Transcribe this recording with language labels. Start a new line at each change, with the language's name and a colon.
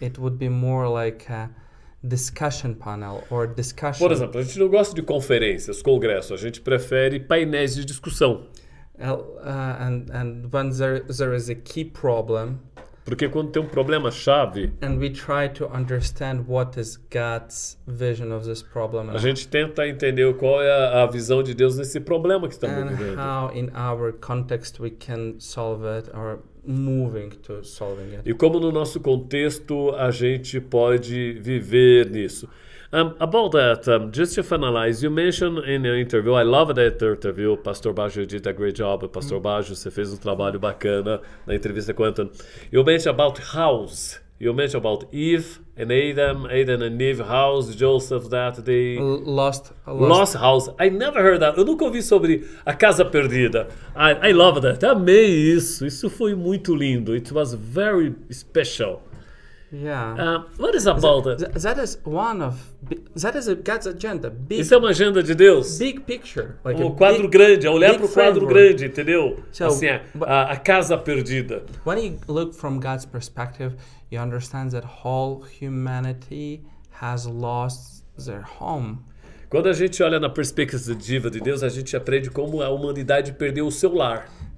English: It would be more like a discussion panel or discussion.
Portuguese: Por exemplo, a gente não gosta de conferências, congressos. A gente prefere painéis de discussão.
English: And when there is a key problem.
Portuguese: Porque quando tem um problema chave,
English: and we try to understand what is God's vision of this problem.
Portuguese: A gente tenta entender qual é a visão de Deus nesse problema que estamos
English: and
Portuguese: vivendo.
English: And how in our context we can solve it or moving to solving it.
Portuguese: E como no nosso contexto a gente pode viver nisso.
English: About that, just to finalize, you mentioned in your interview, I love that interview, Pastor Baggio did a great job, Pastor Baggio,
Portuguese: você fez um trabalho bacana na entrevista com Anton.
English: You mentioned about house, you mentioned about Eve and Adam, Adam and Eve, house, Joseph, that they... Lost house, I never heard that,
Portuguese: eu nunca ouvi sobre a casa perdida.
English: I love that,
Portuguese: amei isso, isso foi muito lindo,
English: it was very special. Yeah. What is about that? That is one of that is a God's agenda. Big,
Portuguese: isso é uma agenda de Deus.
English: Big picture, like
Portuguese: o quadro grande, olhar para o quadro
English: framework.
Portuguese: Grande, entendeu?
English: So,
Portuguese: assim, a casa perdida.
English: When you look from God's perspective, you understand that whole humanity has lost their home.
Portuguese: Quando a gente olha na perspectiva de Deus, a gente aprende como a humanidade perdeu o seu lar.